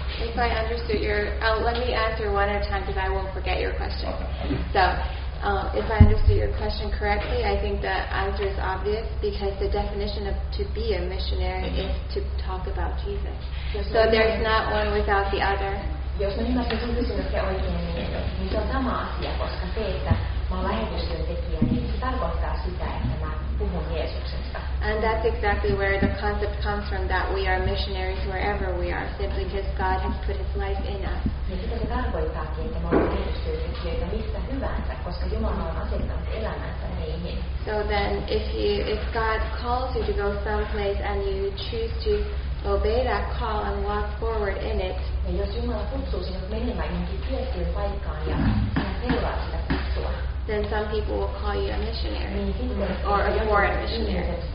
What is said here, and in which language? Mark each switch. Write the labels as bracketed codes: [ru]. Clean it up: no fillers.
[en] If I understood your, let me answer one at a time, because I won't forget your question. Okay. If I understood your question correctly, I think the answer is obvious, because the definition of to be a missionary is to talk about Jesus. So there's not one without the other. [fi] Jos mä ymmärsin sun kysymyksen oikein, niin se on sama asia, koska se, että mä oon lähetystyöntekijä, niin se tarkoittaa sitä, että mä puhun Jeesuksesta. [en] And that's exactly where the concept comes from, that we are missionaries wherever we are, simply because God has put his life in us. [fi] Niin sitä se tarkoittaakin, että me ollaan lähetystyöntekijöitä mistä hyvänsä, koska Jumala on asettanut elämänsä meihin. [en] So then, if God calls you to go someplace and you choose to obey that call and walk forward in it, [fi] ja jos Jumala kutsuu sinut menemään johonkin tiettyyn paikkaan ja seuraa sitä kutsua, [en] then some people will call you a missionary or a foreign missionary.